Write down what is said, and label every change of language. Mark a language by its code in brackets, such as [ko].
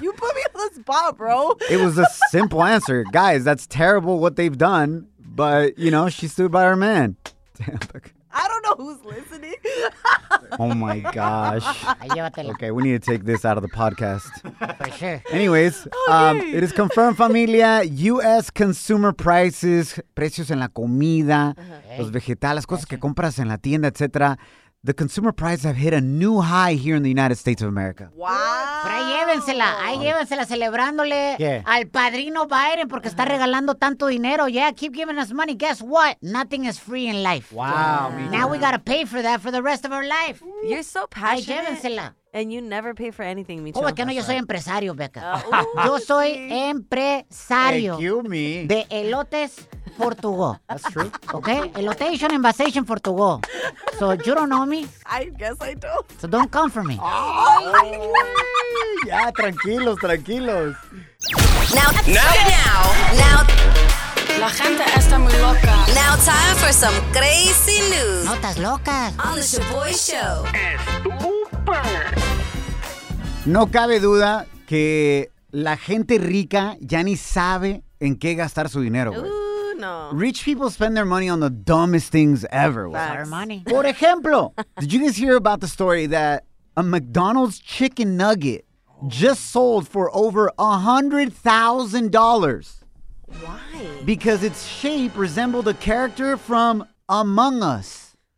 [en] You put me on the spot, bro. It was a simple answer. Guys, that's terrible what they've done, but, you know, she stood by her man. Damn, Becca. I don't know who's listening. Oh, my gosh. Okay, we need to take this out of the podcast. For sure. Anyways, okay. It is confirmed, familia. U.S. consumer prices, [es] precios en la comida, los vegetales, cosas que compras en la tienda, etc. [en] The consumer prices have hit a new high here in the United States of America. Wow. What? [es] Pero ahí llévensela celebrándole al padrino Biden porque está regalando tanto dinero. [en] Yeah, keep giving us money. Guess what? Nothing is free in life. Wow. Now we gotta pay for that for the rest of our life. You're so passionate. [es] Ahí llévensela. [en] And you never pay for anything, Micho. [es] Oh, es que no, yo soy empresario, Becca. Yo soy empresario. [en] Hey, cue me. [es] De elotes Portugal. [en] That's true. Okay? Elotation, invasation, Portugal. So you don't know me? I guess I don't. So don't come for me. Oh, yeah, [es] tranquilos, tranquilos. [en] Now. [es] La gente está muy loca. [en] Now time for some crazy news. [es] Notas locas. [en] On the Shaboy Show. [es] No cabe duda que la gente rica ya ni sabe en qué gastar su dinero, güey. [en] Rich people spend their money on the dumbest things ever. Our money. [es] Por ejemplo, [en] did you guys hear about the story that a McDonald's chicken nugget just sold for over $100,000? Why? Because its shape resembled a character from Among Us.